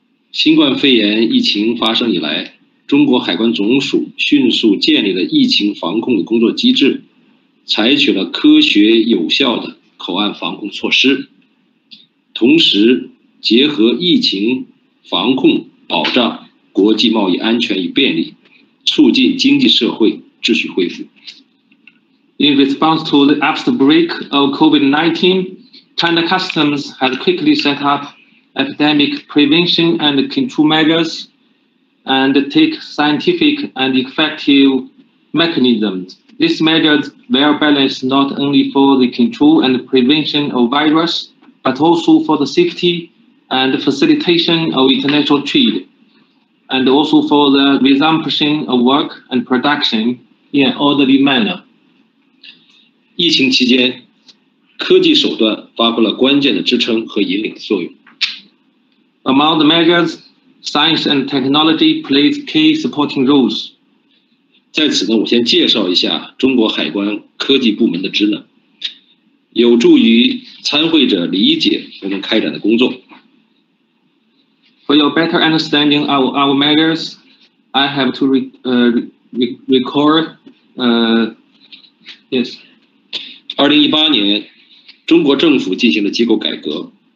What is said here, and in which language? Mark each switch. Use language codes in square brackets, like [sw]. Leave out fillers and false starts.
[zh] 新冠肺炎疫情发生以来, 中国海关总署迅速建立了疫情防控的工作机制, 采取了科学有效的口岸防控措施, 同时结合疫情防控保障国际贸易安全与便利, 促进经济社会秩序恢复。 [en] In response to the outbreak of COVID-19, China Customs has quickly set up epidemic prevention and control measures and take scientific and effective mechanisms. These measures well balance not only for the control and prevention of virus, but also for the safety and facilitation of international trade, and also for the resumption of work and production in an orderly manner. [zh] 疫情期间, 科技手段发挥了关键的支撑和引领作用。 [en] Among the measures, science and technology plays key supporting roles. [zh] 在此呢，我先介绍一下中国海关科技部门的职能，有助于参会者理解我们开展的工作。 [en] For your better understanding of our measures, I have to record. [zh] 2018年, 中国政府进行了机构改革。